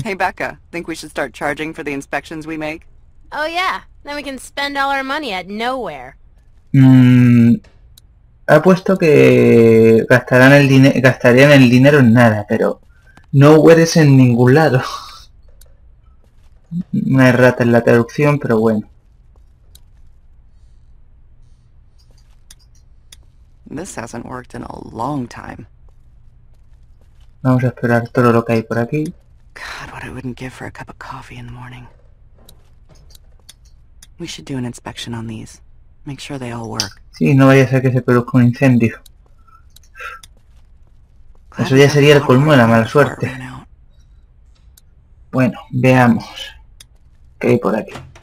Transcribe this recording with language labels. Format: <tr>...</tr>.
<en>Hey, Becca, think we should start charging for the inspections we make? Oh, yeah. Then we can spend all our money at nowhere.</en> <es>Apuesto que gastarían el dinero en nada, pero No puedes en ningún lado. Una errata en la traducción, pero bueno.</es> <en>This hasn't worked in a long time.</en> <es>Vamos a esperar todo lo que hay por aquí.</es> <en>God, what I wouldn't give for a cup of coffee in the morning. We should do an inspection on these. Make sure they all work.</en> <es>Sí, no vaya a ser que se produzca un incendio. Eso ya sería el colmo de la mala suerte. Bueno, veamos. ¿Qué hay por aquí?</es>